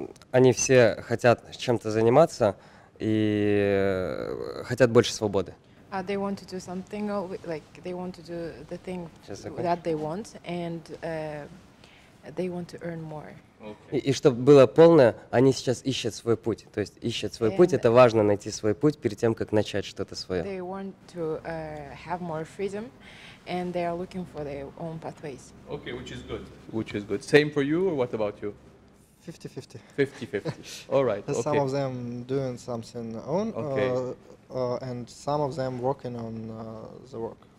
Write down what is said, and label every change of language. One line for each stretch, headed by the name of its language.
Russian: Они все хотят чем-то заниматься и хотят больше свободы.
English: They want to do something like they want to do the thing that they want, and they want to earn more. Okay.
Russian: И чтобы было полное, они сейчас ищут свой путь. То есть ищут свой and путь. Это важно найти свой путь перед тем, как начать что-то свое.
English: They want to have more freedom, and they are looking for their own pathways. Okay, which is good. Which is good. Same for you, or what about you? 50-50. All right. Okay. Some of them doing something own, and some of them working on the work.